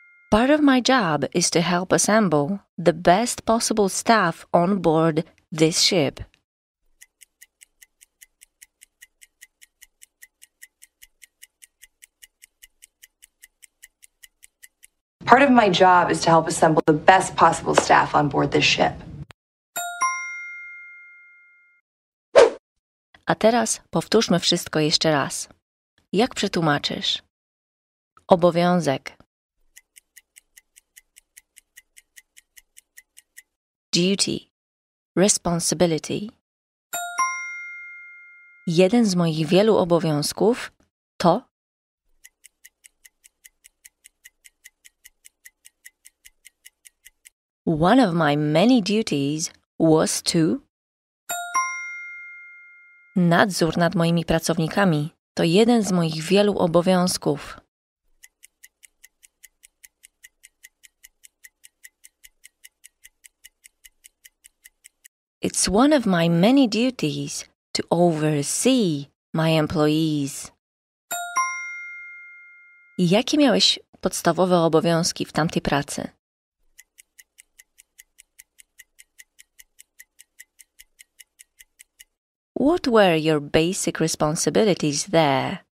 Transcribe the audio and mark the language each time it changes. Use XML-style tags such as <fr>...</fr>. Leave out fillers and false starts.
<en>Part of my job is to help assemble the best possible staff on board this ship. Part of my job is to help assemble the best possible staff on board this ship.</en> <pl>A teraz powtórzmy wszystko jeszcze raz. Jak przetłumaczysz? Obowiązek.</pl> <en>Duty. Responsibility.</en> <pl>Jeden z moich wielu obowiązków to...</pl> <en>One of my many duties was to...</en> <pl>Nadzór nad moimi pracownikami to jeden z moich wielu obowiązków.</pl> <en>It's one of my many duties to oversee my employees.</en> <pl>Jakie miałeś podstawowe obowiązki w tamtej pracy?</pl> <en>What were your basic responsibilities there?</en>